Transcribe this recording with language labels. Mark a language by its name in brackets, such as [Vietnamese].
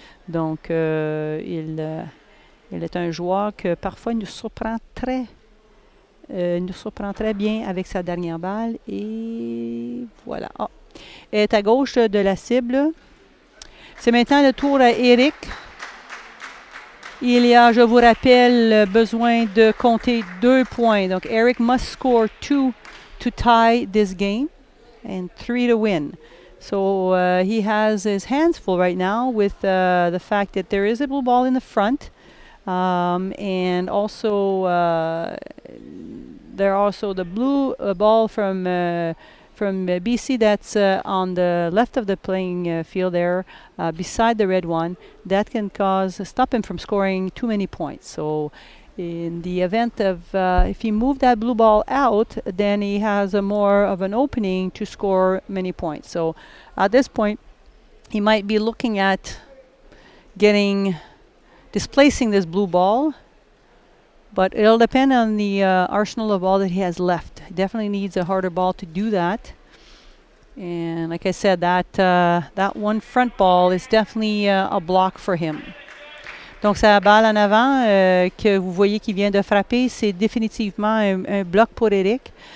[French] Donc, il est un joueur que parfois nous surprend très bien avec sa dernière balle. Et voilà. Oh. Elle est à gauche de la cible. C'est maintenant le tour à Éric. Il y a, je vous rappelle, besoin de compter 2 points. Donc, [English] Éric must score 2 to tie this game and 3 to win. So he has his hands full right now with the fact that there is a blue ball in the front. And also, there are also the blue ball from BC that's on the left of the playing field there, beside the red one. That can stop him from scoring too many points. So in the event of, if he move that blue ball out, then he has a more of an opening to score many points. So at this point, he might be looking at displacing this blue ball, but it'll depend on the arsenal of ball that he has left. He definitely needs a harder ball to do that. And like I said, that that one front ball is definitely a block for him. [French] Donc, sa balle en avant que vous voyez qu'il vient de frapper, c'est définitivement un bloc pour Éric.